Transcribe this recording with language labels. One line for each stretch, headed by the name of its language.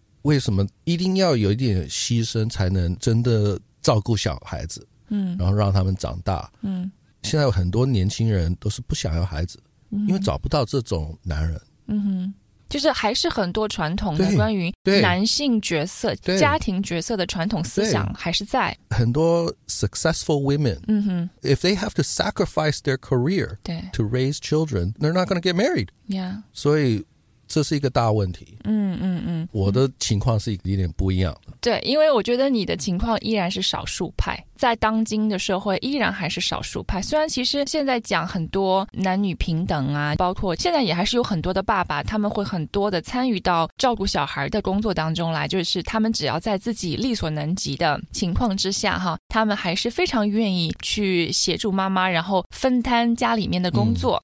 Chinese: 为什么一定要有一点牺牲才能真的照顾小孩子，嗯，然后让他们长大，嗯。现在有很多年轻人都是不想要孩子，嗯，因为找不到这种男人。嗯哼，就是还是很多传统的关于男性角色、家庭角色的传统思想还是在。很多
English: successful women，嗯哼， if they have to sacrifice their career to raise children, they're not going to get married. Yeah.
Chinese: 所以这是一个大问题。嗯嗯嗯。我的情况是一点不一样的。对，因为我觉得你的情况依然是少数派，在当今的社会依然还是少数派。虽然其实现在讲很多男女平等啊，包括现在也还是有很多的爸爸，他们会很多的参与到照顾小孩的工作当中来，就是他们只要在自己力所能及的情况之下哈，他们还是非常愿意去协助妈妈，然后分担家里面的工作。